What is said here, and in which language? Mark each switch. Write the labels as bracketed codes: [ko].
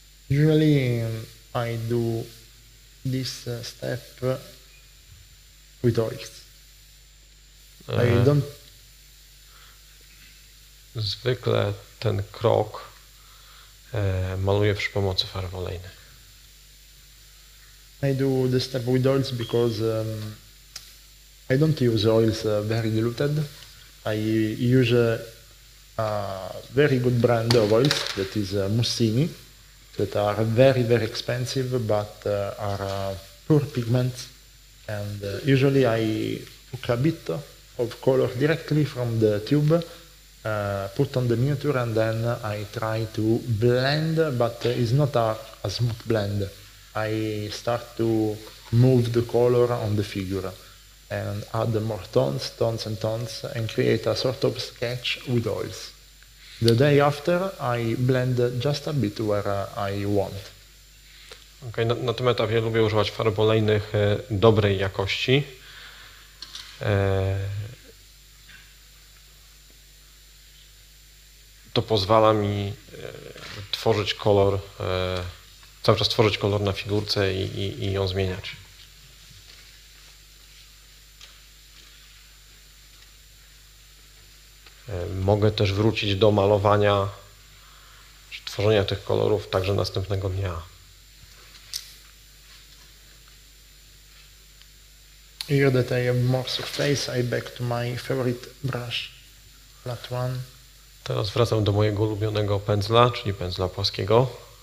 [en] Usually I do this step with oils. I don't. [pl] Zwykle ten krok maluję przy pomocy farb olejnych. [en] I do the step with oils because I don't use oils very diluted. I use a very good brand of oils that is Mussini, that are very very expensive but are poor pigments, and usually I took a bit of color directly from the tube, put on the miniature, and then I try to blend, but it's not a smooth blend. I start to move the color on the figure and add more tones, tones and tones, and create a sort of sketch with oils. The day after, I blend just a bit where I want. [pl] Okay, na tym etapie lubię używać farb olejnych dobrej jakości. To pozwala mi tworzyć kolor, cały czas tworzyć kolor na figurce i ją zmieniać. Mogę też wrócić do malowania, czy tworzenia tych kolorów także następnego dnia. [en] Here that I have more surface, I back to my favorite brush, flat one. [pl] Teraz wracam do mojego ulubionego pędzla, czyli pędzla płaskiego.